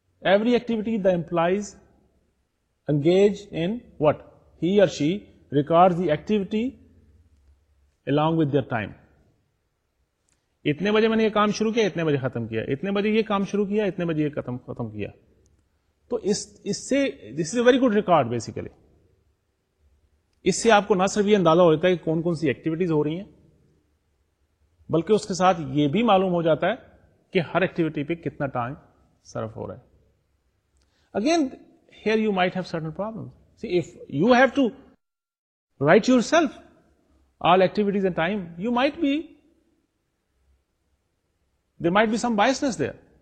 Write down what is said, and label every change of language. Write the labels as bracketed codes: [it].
[en] Every activity the employees engage in with he or she record the activity along with their time. [ur] اتنے بجے میں نے یہ کام شروع کیا, اتنے بجے ختم کیا, اتنے بجے یہ کام شروع کیا, اتنے بجے یہ ختم کیا. تو اس سے [en] This is a very good record basically. [ur] اس سے آپ کو نہ صرف یہ اندازہ ہوتا ہے کہ کون کون سی ایکٹیویٹیز ہو رہی ہیں, بلکہ اس کے ساتھ یہ بھی معلوم ہو جاتا ہے کہ ہر ایکٹیویٹی پہ کتنا ٹائم صرف ہو رہا ہے. [en] Again here you might have certain problem. See if you have to write yourself all activities and time, you might be there might be some biases there.